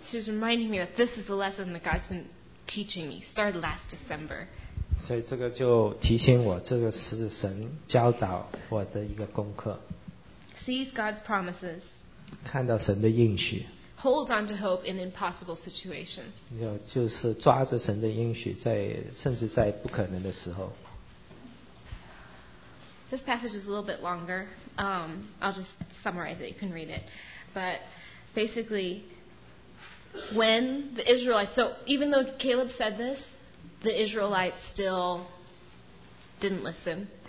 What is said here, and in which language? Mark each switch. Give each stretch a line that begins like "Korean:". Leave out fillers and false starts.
English: She's reminding me that this is the lesson that God's been teaching me, started last December.
Chinese: 所以这个就提醒我, 这个是神教导我的一个功课。
English: Seize God's promises.
Chinese: 看到神的应许。
English: Hold on to hope in impossible situations.
Chinese: 就是抓着神的应许在甚至在不可能的时候。
English: This passage is a little bit longer. I'll just summarize it. You can read it. But basically, when the Israelites... So even though Caleb said this, the Israelites still didn't listen.